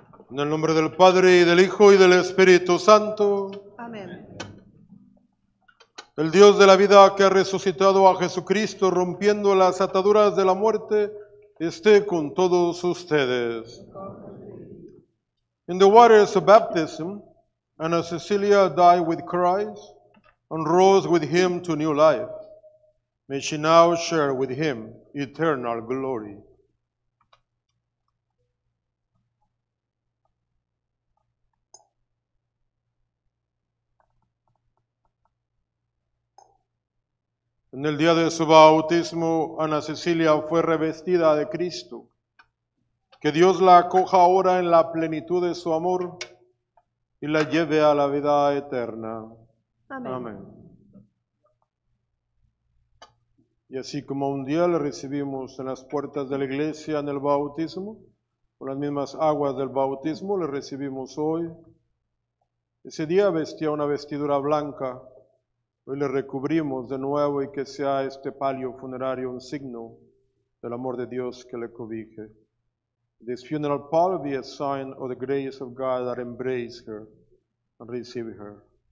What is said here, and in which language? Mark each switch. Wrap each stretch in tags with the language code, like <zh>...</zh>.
<es>En el nombre del Padre, y del Hijo, y del Espíritu Santo. Amén. El Dios de la vida que ha resucitado a Jesucristo rompiendo las ataduras de la muerte, esté con todos ustedes.</es> <en>In the waters of baptism, Anna Cecilia died with Christ and rose with him to new life. May she now share with him eternal glory.</en> <es>En el día de su bautismo, Ana Cecilia fue revestida de Cristo. Que Dios la acoja ahora en la plenitud de su amor y la lleve a la vida eterna. Amén. Amén. Y así como un día le recibimos en las puertas de la iglesia en el bautismo, con las mismas aguas del bautismo, le recibimos hoy. Ese día vestía una vestidura blanca. Hoy le recubrimos de nuevo y que sea este palio funerario un signo del amor de Dios que le cobije.</es> <en>This funeral pall be a sign of the grace of God that embrace her and receive her.</en>